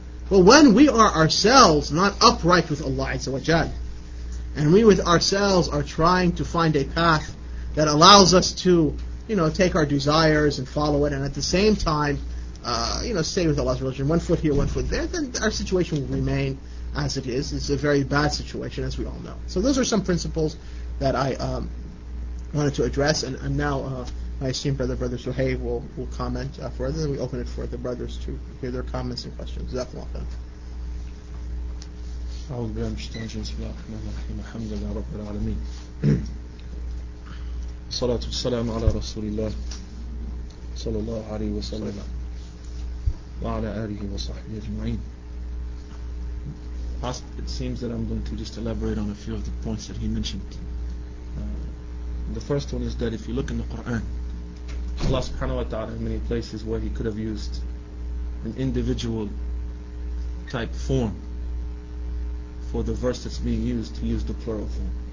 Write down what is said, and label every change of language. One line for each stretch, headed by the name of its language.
English: But when we are ourselves not upright with Allah Azza wa Jalla, and we with ourselves are trying to find a path that allows us to, you know, take our desires and follow it, and at the same time, stay with Allah's religion, one foot here, one foot there, then our situation will remain as it is. It's a very bad situation, as we all know. So those are some principles that I wanted to address, and now my esteemed brother Suhaib will comment further, and we open it for the brothers to hear their comments and questions.
Arabic: Jazakallah khair. أعوذ بالله من الشيطان الرجيم. الحمد لله رب العالمين. الصلاة والسلام على رسول الله صلى الله عليه وسلم وعلى آله وصحبه أجمعين.
English: It seems that I'm going to just elaborate on a few of the points that he mentioned. The first one is that if you look in the Quran, Allah subhanahu wa ta'ala in many places where he could have used an individual type form for the verse that's being used, to use the plural form.